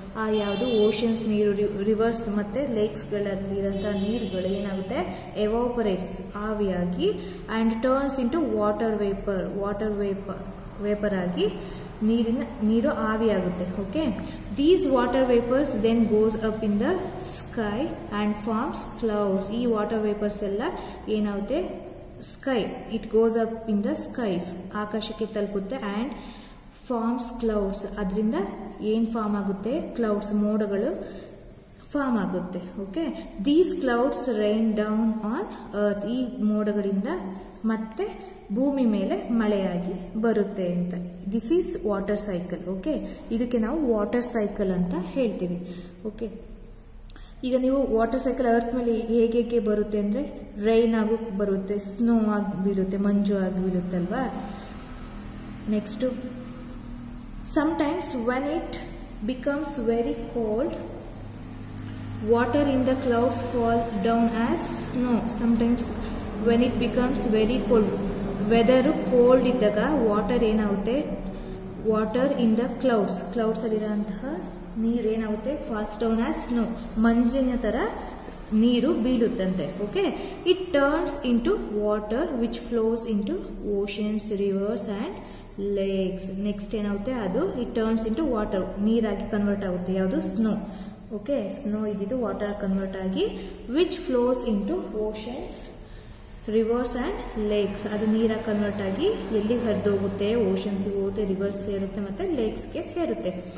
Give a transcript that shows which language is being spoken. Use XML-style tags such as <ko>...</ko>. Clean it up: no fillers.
<kn>ಆ ಯಾವುದು ಓಷನ್ಸ್ ನೀರು, ರಿವರ್ಸ್ ಮತ್ತು ಲೇಕ್ಸ್ಗಳಲ್ಲಿರೋಂಥ ನೀರುಗಳು ಏನಾಗುತ್ತೆ, ಎವೋಪರೇಟ್ಸ್ ಆವಿಯಾಗಿ</kn> <en>And turns into water vapour.</en> <kn>Water vapour ಆಗಿ ನೀರು ಆವಿಯಾಗುತ್ತೆ.</kn> <en>Okay, these water vapours then goes up in the sky and forms clouds.</en> <kn>ಈ ವಾಟರ್ ವೇಪರ್ಸ್ ಎಲ್ಲ ಏನಾಗುತ್ತೆ,</kn> <en>sky, it goes up in the skies,</en> <kn>aakashakke talputte</kn> <en>and forms clouds.</en> <kn>Adrinda yen form agutte, clouds modagalu form agutte.</kn> <en>Okay, these clouds rain down on earth.</en> <kn>Ee modagalinda matte bhoomi mele maleyagi barutte anta.</kn> <en>This is water cycle.</en> <kn>Okay, idakke naavu water cycle anta heltivi. Okay, ಈಗ ನೀವು water cycle earth ಮೇಲೆ ಹೇಗೆ ಬರುತ್ತೆ ಅಂದರೆ rain ಆಗೂ ಬರುತ್ತೆ, snow ಆಗಿ ಬೀರುತ್ತೆ, ಮಂಜು ಆಗಿ ಬೀರುತ್ತಲ್ವಾ? Next</kn> <en>Sometimes when it becomes very cold, water in the clouds fall down as snow. Sometimes when it becomes very cold,</en> <kn>weather cold ಇದ್ದಾಗ water ಏನಾಗುತ್ತೆ,</kn> <en>water in the clouds,</en> <kn>clouds ಅಲ್ಲಿರೋಂತಹ ನೀರು ಏನಾಗುತ್ತೆ,</kn> <en>falls down as snow,</en> <kn>ಮಂಜಿನ ತರ ನೀರು ಬೀಳುತ್ತಂತೆ.</kn> <en>Okay, it turns into water which flows into oceans rivers and lakes.</en> <kn>Next ಏನಾಗುತ್ತೆ, ಅದು</kn> <en>it turns into water,</en> <kn>ನೀರಾಗಿ ಕನ್ವರ್ಟ್ ಆಗುತ್ತೆ, ಯಾವುದು, ಸ್ನೋ. ಓಕೆ, ಸ್ನೋ ಇದ್ದಿದ್ದು ವಾಟರ್ ಕನ್ವರ್ಟ್ ಆಗಿ</kn> <en>which flows into oceans rivers and lakes,</en> <kn>ಅದು ನೀರಾಗಿ convert ಆಗಿ ಎಲ್ಲಿಗೆ ಹರಿದೋಗುತ್ತೆ, ಓಷನ್ಸ್ಗೆ ಹೋಗುತ್ತೆ, ರಿವರ್ಸ್ ಸೇರುತ್ತೆ ಮತ್ತು ಲೇಕ್ಸ್ಗೆ ಸೇರುತ್ತೆ.</kn>